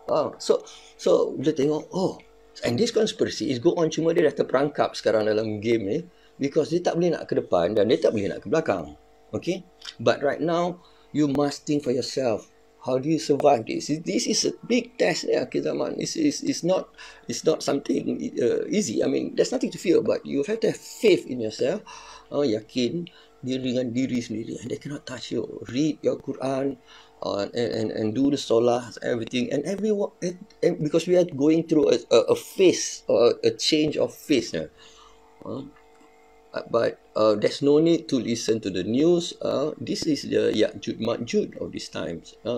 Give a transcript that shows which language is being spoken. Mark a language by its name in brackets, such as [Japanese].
[Malay] So, bila tengok, [English] and this conspiracy is go on, [Malay] cuma dia dah terperangkap sekarang dalam game ni because dia tak boleh nak ke depan dan dia tak boleh nak ke belakang. [English] Okay, but right now you must think for yourself. How do you survive this? This is a big test, ya, [Malay] akhir zaman. [English] It's not something easy. I mean, there's nothing to fear, but you have to have faith in yourself. [Malay] Yakin dengan diri sendiri. [English] And they cannot touch you. Read your Quran, and do the solah, everything, and everyone. And because we are going through a phase or a change of phase, ya. But there's no need to listen to the news. This is the Ya'jud Ma'jud of these times.